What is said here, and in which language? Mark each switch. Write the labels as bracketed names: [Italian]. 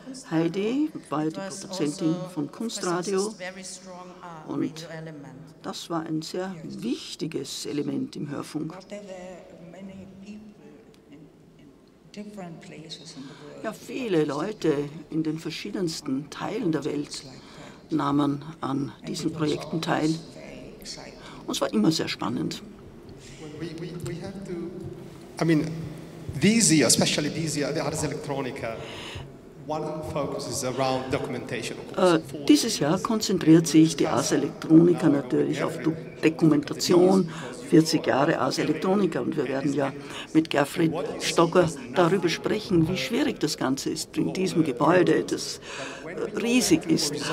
[German] Heidi war die Produzentin von Kunstradio und das war ein sehr wichtiges Element im Hörfunk. Ja, viele Leute in den verschiedensten Teilen der Welt nahmen an diesen Projekten teil. Und es war immer sehr spannend. [English] I mean, these years, especially these years, the Ars Electronica, one focus is around documentation. [German] Dieses Jahr konzentriert sich die Ars Electronica natürlich auf Dokumentation. 40 Jahre Ars Electronica und wir werden ja mit Gerfried Stocker darüber sprechen, wie schwierig das Ganze ist in diesem Gebäude, das riesig ist.